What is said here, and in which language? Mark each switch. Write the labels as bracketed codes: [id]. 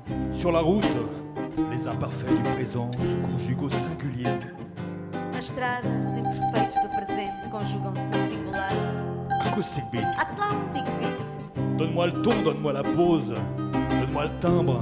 [fr] Sur la route, les imparfaits du présent se conjuguent au singulier. [pt] Na estrada, os imperfeitos do presente conjugam-se no singular. [en] Acoustic beat. Atlantic beat. [fr] Donne-moi le ton, donne-moi la pose, donne-moi le timbre.